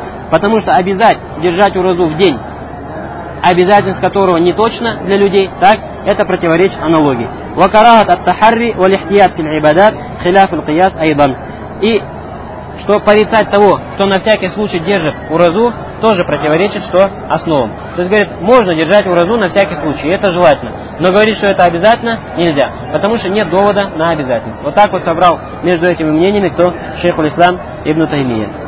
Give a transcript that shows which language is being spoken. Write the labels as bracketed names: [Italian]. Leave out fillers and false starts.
[Russian] Потому что обязать держать уразу в день, обязательность которого не точно для людей, так, это противоречит аналогии. [Arabic] وكراهه التحري والاحتياط في العبادات خلاف القياس ايضا. [Russian] И что порицать того, кто на всякий случай держит уразу, тоже противоречит что основам. То есть говорит, можно держать уразу на всякий случай, это желательно, но говорить, что это обязательно, нельзя, потому что нет довода на обязательность. Вот так вот собрал между этими мнениями кто? Шейх аль-Ислам ибн Таймия.